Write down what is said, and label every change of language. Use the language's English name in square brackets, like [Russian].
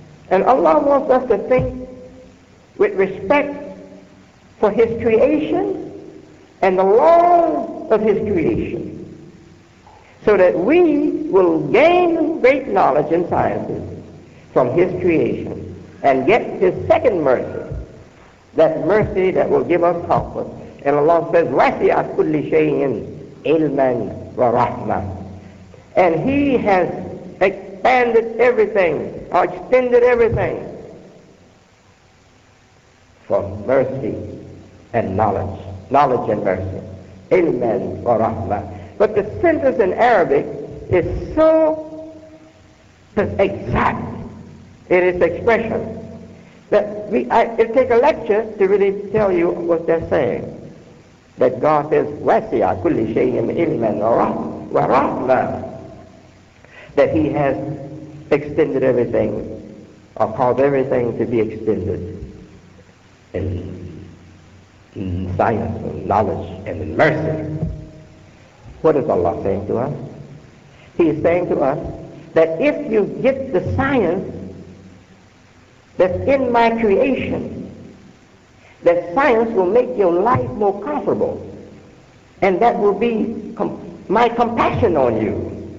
[English] And Allah wants us to think with respect for His creation and the laws of His creation, so that we will gain great knowledge in sciences from His creation and get His second mercy, that mercy that will give us comfort. And Allah says, [Arabic] وَاسِعَ كُلِّ شَيْءٍ عِلْمًا وَرَحْمًا. [English] And He has expanded everything, or extended everything, for mercy and knowledge. Knowledge and mercy. [Arabic] عِلْمًا وَرَحْمًا. [English] But the sentence in Arabic is so exact in its expression that it'll take a lecture to really tell you what they're saying. That God says, [Arabic] وَاسِعَ كُلِّ شَيْءٍ عِلْمًا وَرَحْمًا. [English] That He has extended everything, or caused everything to be extended in science and knowledge and in mercy. What is Allah saying to us? He is saying to us that if you get the science that's in my creation, that science will make your life more comfortable, and that will be my compassion on you.